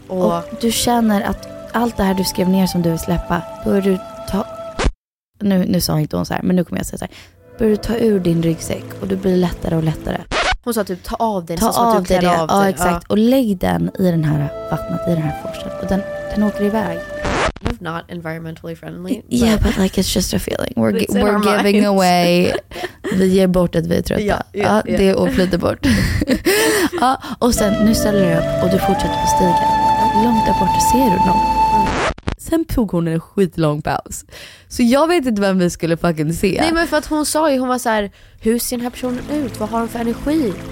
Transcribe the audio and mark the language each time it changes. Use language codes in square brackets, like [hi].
[sv] Och du känner att allt det här du skrev ner som du vill släppa, bör du ta... Nu sa inte hon så här, men nu kommer jag säga så här. Bör du ta ur din ryggsäck och du blir lättare och lättare. Hon sa typ, ta av dig. Ta av dig det. Ja, exakt. Och lägg den i den här vattnet, i den här forsen. Och den åker iväg. [en] Not environmentally friendly. But yeah, but like it's just a feeling. We're giving away. [sv] Vi ger bort att vi är trötta. Det är flyter bort. Och sen, nu ställer du upp och du fortsätter på stigen. Långt där bort ser du någon. Sen tog hon en skitlång paus. Så jag vet inte vem vi skulle fucking se. Nej, men för att hon sa ju, hon var så här, hur ser den här personen ut? Vad har de för energi?